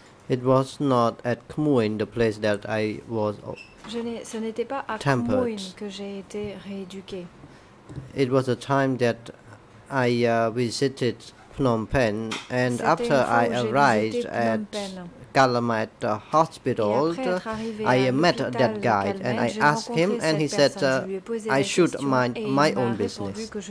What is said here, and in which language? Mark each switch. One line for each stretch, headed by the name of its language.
English: It was not at Kamuin, the place that I was
French: ce n'était pas à Kamuin que j'ai été rééduqué.
English: It was a time that I visited Phnom Penh, and
French: c'était
English: after I arrived at Kalamat Hospital, I met that guy and I asked him, and he said, I should mind my own business.